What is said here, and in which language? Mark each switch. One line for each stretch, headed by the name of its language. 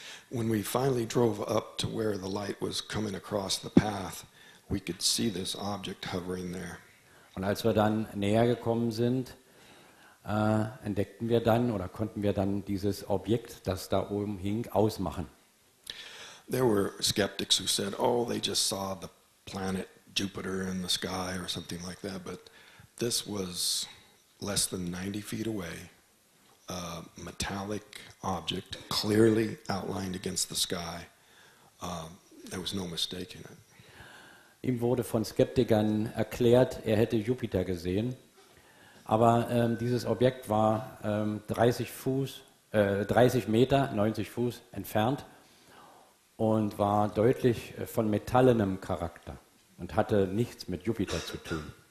English: When we finally drove up to where the light was coming across the path, we could see this object hovering there.
German: Und als wir dann näher gekommen sind, entdeckten wir dann oder konnten wir dann dieses Objekt, das da oben hing, ausmachen.
English: There were skeptics who said, oh, they just saw the planet Jupiter in the sky or something like that, but this was less than 90 feet away, a metallic object clearly outlined against the sky. There was no mistake in it.
German: Ihm wurde von Skeptikern erklärt, er hätte Jupiter gesehen. Aber dieses Objekt war 90 Fuß entfernt und war deutlich von metallenem Charakter und hatte nichts mit Jupiter zu tun.